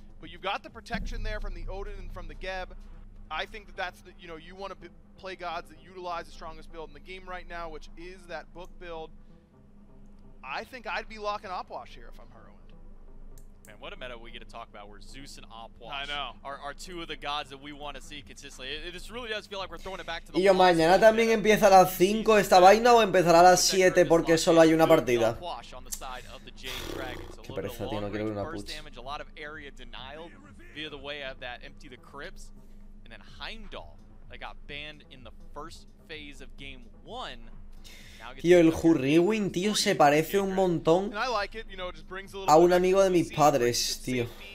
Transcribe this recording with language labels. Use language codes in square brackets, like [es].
[en] But you've got the protection there from the Odin and from the Geb. I think you want to play gods that utilize the strongest build in the game right now, which is that book build. I think I'd be locking Opwash here if I'm Hurrywind. Man, what a meta we get to talk about where Zeus and Opwash are two of the gods that we want to see consistently. It just really does feel like we're throwing it back to the. [es] Y yo, mañana también empieza a las 5 esta vaina o empezará a las 7 porque solo hay una partida. Qué pereza, tío, no quiero ver una push. [en] Damage, a lot of area denial via the way of that empty the crypts. And then Heimdall, that got banned in the first phase of game one. [es] Tío, el Hurrywind, tío, se parece un montón a un amigo de mis padres, tío.